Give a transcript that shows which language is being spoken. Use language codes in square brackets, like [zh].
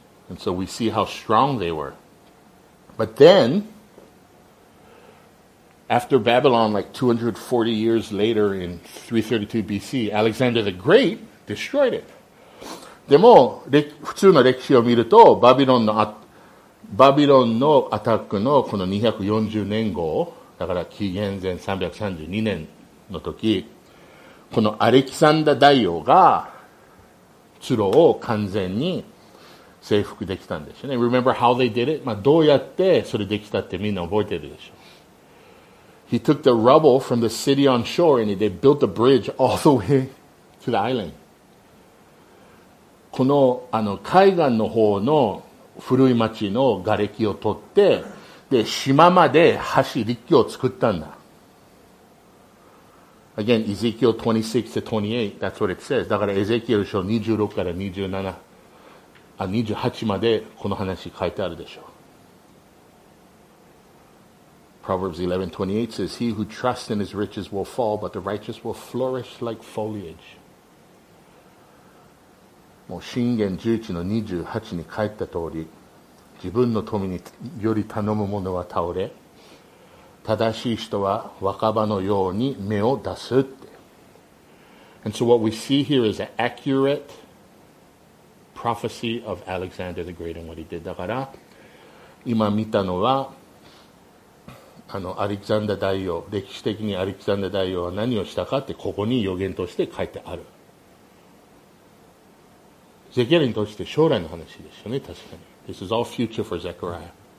[en] And so we see how strong they were. But then after Babylon, like 240 years later in 332 BC, Alexander the Great destroyed it. [ja] でも普通の歴史を見るとバビロンのアタックのこの240年後、だから紀元前332年の時、このアレキサンダ大王が鶴を完全に征服できたんですよね。 [en] Remember how they did it? [ja] まあどうやってそれできたってみんな覚えてるでしょ。 [en] He took the rubble from the city on shore and they built a bridge all the way to the island. [ja] この、あの、海岸の方の古い町の瓦礫を取って、で、島まで橋、陸橋を作ったんだ。 [en] Again, Ezekiel 26 to 28, that's what it says. [ja] だから、エゼキエル書26から27、あ、28までこの話書いてあるでしょ。 [en] Proverbs 11:28 says, He who trusts in his riches will fall, but the righteous will flourish like foliage. [ja] もう、箴言11の28に書いた通り、自分の富により頼む者は倒れ、正しい人は若葉のように芽を出すって。 [en] And so what we see here is an accurate prophecy of Alexander the Great and what he did. [ja] だから、今見たのは、あのアレキサンダ大王、歴史的にアレキサンダ大王は何をしたかってここに予言として書いてある。ゼケリアにとって将来の話ですよね、確かに。 [en] This is all future for Zechariah.